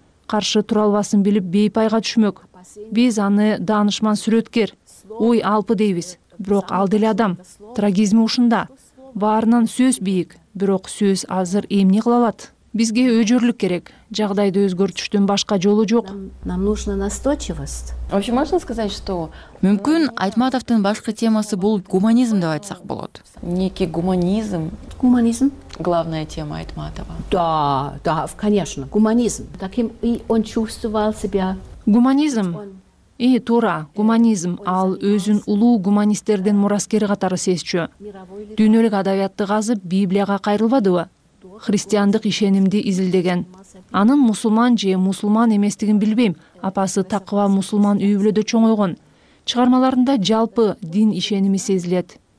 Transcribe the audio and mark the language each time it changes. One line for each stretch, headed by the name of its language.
Kyrgyz: Каршы тура албасын билип бейпайга түшмөк. Биз аны даанышман сүрөткер, ой алпы дейбиз. Бирок ал деле адам. Трагизми ушунда. Баарынан сөз бийик, бирок сөз азыр эмне кыла алат? Бизге өжөрлүк керек. Жагдайды өзгөртүштүн башка жолу жок.
Russian: Нам нужна настойчивость. Вообще можно сказать, что
Kyrgyz: мүмкүн Айтматовдун башкы темасы бул гуманизм деп айтсак болот.
Russian: Некий гуманизм. Гуманизм главная тема Айтматова. Да, да, конечно, гуманизм. Таким и он чувствовал себя. Гуманизм.
Kyrgyz: И туура, гуманизм ал өзүн улуу гуманисттердин мураскери катары сезчү. Дүйнөлүк адабиятты казып, Библияга кайрылбадыбы? Христиандык ишенимди изилдеген. Анын мусулман же мусулман эместигин билбейм. Апасы такыва мусулман үйбүлөдө чоңойгон. Чыгармаларында жалпы дин ишеними сезилет.